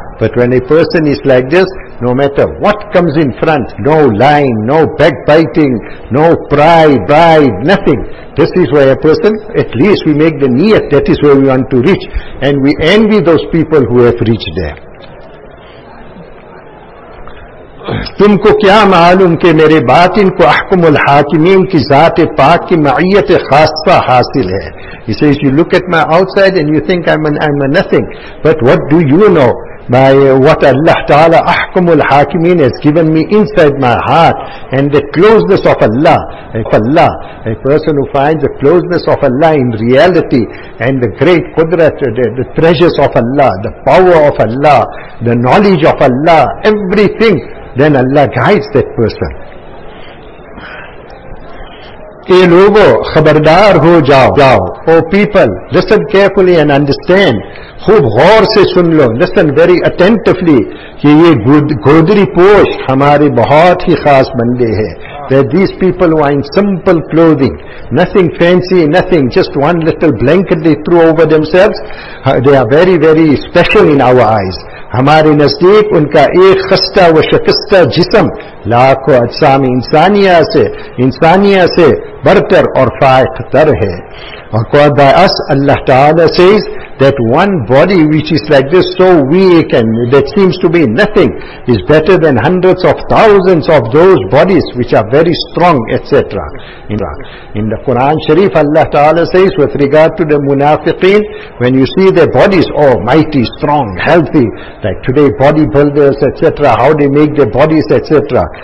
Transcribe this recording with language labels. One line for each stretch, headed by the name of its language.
English: But when a person is like this, no matter what comes in front, no lying, no backbiting, no pride, bribe, nothing. This is where a person, at least we make the niyat, that is where we want to reach. And we envy those people who have reached there.
Urdu: تمکو کیا معلوم کہ میرے باطن کو احکم الحاکمین کی ذات پاک کی معیت خاصہ حاصل ہے.
English: He says, you look at my outside and you think I'm a nothing. But what do you know? What Allah Ta'ala احکم الحاکمین has given me inside my heart and the closeness of Allah. A person who finds the closeness of Allah in reality and the great qudrat, the treasures of Allah, the power of Allah, the knowledge of Allah, everything. Then Allah guides that person.
Urdu: اے لوگو خبردار ہو جاؤ.
English: Oh people, listen carefully and understand.
Urdu: خوب غور سے سن لو.
English: Listen very attentively.
Urdu: کہ یہ گودری پوش ہمارے بہت ہی خاص بندے ہیں.
English: That these people who are in simple clothing, nothing fancy, nothing, just one little blanket they threw over themselves, they are very, very special in our eyes.
Urdu: ہمارے نزدیک ان کا ایک خستہ و شکستہ جسم لاکھوں اجسام انسانیہ سے برتر اور فائق تر ہے.
English: According to us, Allah Ta'ala says that one body which is like this, so weak and that seems to be nothing, is better than hundreds of thousands of those bodies which are very strong, etc. In the Quran Sharif, Allah Ta'ala says with regard to the munafiqeen, when you see their bodies, oh mighty, strong, healthy, like today bodybuilders, etc., how they make their bodies, etc.